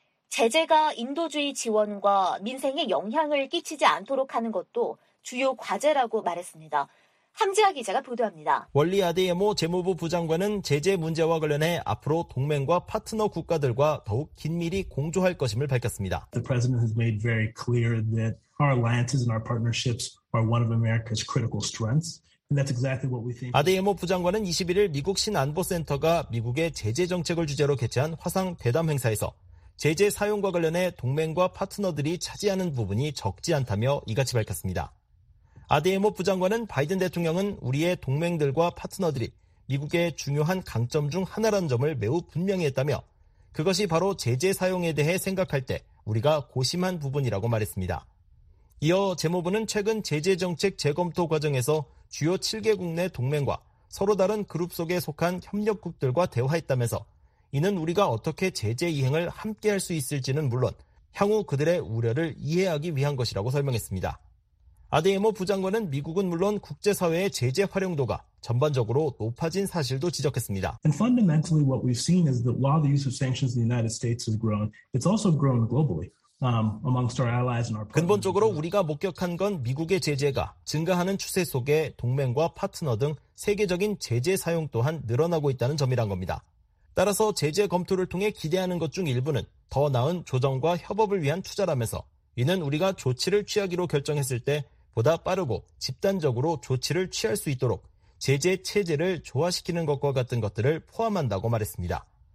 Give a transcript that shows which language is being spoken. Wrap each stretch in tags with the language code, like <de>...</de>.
<ko>제재가 인도주의 지원과 민생에 영향을 끼치지 않도록 하는 것도 주요 과제라고 말했습니다. 함지아 기자가 보도합니다. 월리 아데예모 재무부 부장관은 제재 문제와 관련해 앞으로 동맹과 파트너 국가들과 더욱 긴밀히 공조할 것임을 밝혔습니다.</ko> <en>The president has made very clear that our alliances and our partnerships are one of America's critical strengths. Exactly</en> <ko>아데예모 부장관은 21일 미국 신안보센터가 미국의 제재 정책을 주제로 개최한 화상 대담 행사에서 제재 사용과 관련해 동맹과 파트너들이 차지하는 부분이 적지 않다며 이같이 밝혔습니다. 아데예모 부장관은 바이든 대통령은 우리의 동맹들과 파트너들이 미국의 중요한 강점 중 하나라는 점을 매우 분명히 했다며 그것이 바로 제재 사용에 대해 생각할 때 우리가 고심한 부분이라고 말했습니다. 이어 재무부는 최근 제재 정책 재검토 과정에서 주요 7개국 내 동맹과 서로 다른 그룹 속에 속한 협력국들과 대화했다면서 이는 우리가 어떻게 제재 이행을 함께할 수 있을지는 물론 향후 그들의 우려를 이해하기 위한 것이라고 설명했습니다. 아데예모 부장관은 미국은 물론 국제사회의 제재 활용도가 전반적으로 높아진 사실도 지적했습니다.</ko> <en>And fundamentally what we've seen is that while the use of sanctions in the United States has grown, it's also grown globally. Amongst our allies and our</en> <ko>근본적으로 우리가 목격한 건 미국의 제재가 증가하는 추세 속에 동맹과 파트너 등 세계적인 제재 사용 또한 늘어나고 있다는 점이란 겁니다. 따라서 제재 검토를 통해 기대하는 것 중 일부는 더 나은 조정과 협업을 위한 투자라면서 이는 우리가 조치를 취하기로 결정했을 때 보다 빠르고 집단적으로 조치를 취할 수 있도록 제재 체제를 조화시키는 것과 같은 것들을 포함한다고 말했습니다.</ko>